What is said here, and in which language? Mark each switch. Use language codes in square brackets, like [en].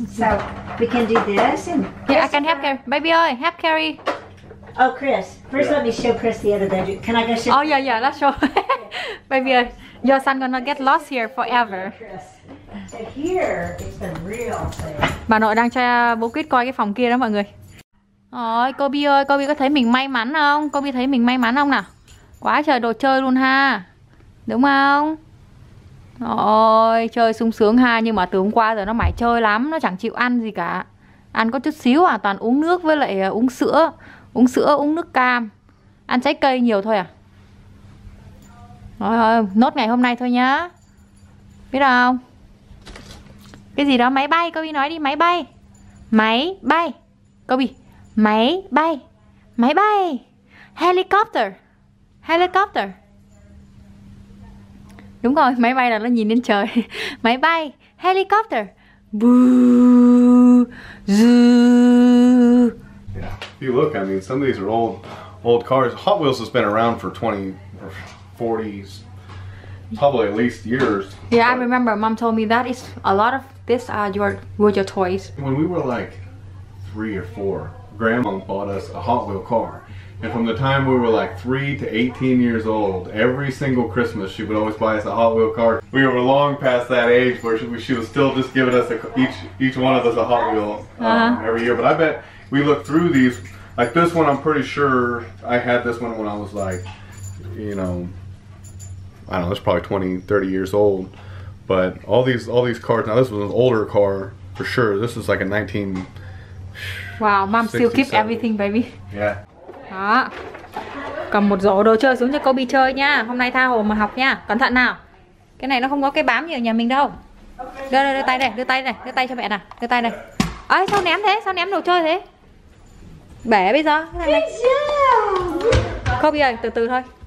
[en] So we can do this and... Yeah, I can help Carrie. Baby, oi, help Carrie. Oh, Chris. First, yeah. Let me show Chris the other bedroom. Can I go show... Oh, yeah, let's show. Baby, your son gonna get lost here forever. So here is the real thing. [vi] Bà nội đang cho bố Quýt coi cái phòng kia đó mọi người. Ôi, Kobe ơi, Kobe có thấy mình may mắn không? Kobe thấy mình may mắn không nào? Quá trời đồ chơi luôn ha. Đúng không? Ôi, chơi sung sướng ha, nhưng mà từ hôm qua giờ nó mải chơi lắm, nó chẳng chịu ăn gì cả. Ăn có chút xíu à, toàn uống nước với lại uống sữa, uống nước cam. Ăn trái cây nhiều thôi à. Rồi, nốt ngày hôm nay thôi nhá. Biết không? Cái gì đó, máy bay, Kobe nói đi, máy bay. Máy bay. Kobe, máy bay. Máy bay. Helicopter. Helicopter. Đúng rồi, máy bay là nó nhìn lên trời. Máy bay, helicopter. [en] Yeah. If you look, I mean, some of these are old cars. Hot Wheels has been around for 20 or 40s. Probably at least years. Yeah, I remember mom told me that is a lot of this were your toys. When we were like 3 or 4, grandma bought us a Hot Wheel car. And from the time we were like 3 to 18 years old, every single Christmas she would always buy us a Hot Wheel car. We were long past that age where she was still just giving us each one of us a Hot Wheel every year. But I bet we look through these, like this one, I'm pretty sure I had this one when I was like, you know, I don't know, it's probably 20, 30 years old. But all these cars, now this was an older car for sure. This was like a 19... Wow, mom still keep everything, baby. Yeah. [vi] Đó. Cầm một giỏ đồ chơi xuống cho Kobe chơi nha. Hôm nay tha hồ mà học nha. Cẩn thận nào. Cái này nó không có cái bám gì ở nhà mình đâu. Đưa tay này, đưa tay này, đưa tay cho mẹ nào. Đưa tay này. Ấy sao ném thế? Sao ném đồ chơi thế? Bẻ bây giờ. Cái này này. Kobe ơi, từ từ thôi.